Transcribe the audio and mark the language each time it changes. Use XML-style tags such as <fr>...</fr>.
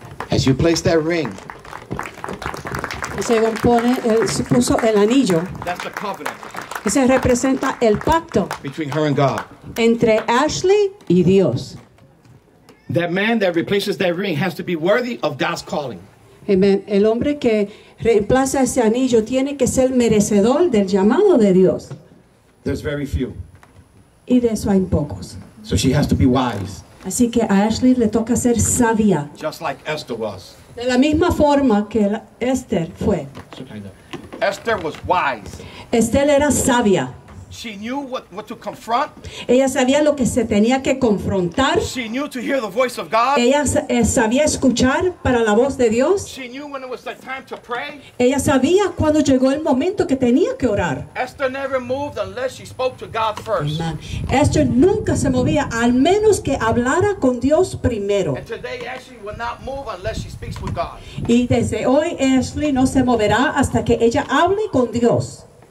<en>As you place that ring, that's the covenant.</en> <es>Ese representa el pacto</es> <en>between her and God.</en> <es>Entre Ashley y Dios.</es> <en>That man that replaces that ring has to be worthy of God's calling. Amen.</en> <es>El hombre que reemplaza ese anillo tiene que ser merecedor del llamado de Dios.</es> <en>There's very few.</en> <es>Y de eso hay pocos.</es> <en>So she has to be wise.</en> <es>Así que a Ashley le toca ser sabia.</es> <en>Just like Esther was.</en> <es>De la misma forma que Esther fue.</es> <en>Esther was wise.</en> <es>Esther era sabia.</es> <en>She knew what to confront.</en> <es>Ella sabía lo que se tenía que confrontar.</es> <en>She knew to hear the voice of God.</en> <es>Ella sabía escuchar para la voz de Dios.</es> <en>She knew when it was the time to pray.</en> <es>Ella sabía cuando llegó el momento que tenía que orar.</es> <en>Esther never moved unless she spoke to God first. Amen.</en> <es>Esther nunca se movía al menos que hablara con Dios primero.</es> <en>And today Ashley will not move unless she speaks with God.</en> <es>Y desde hoy Ashley no se moverá hasta que ella hable con Dios.</es>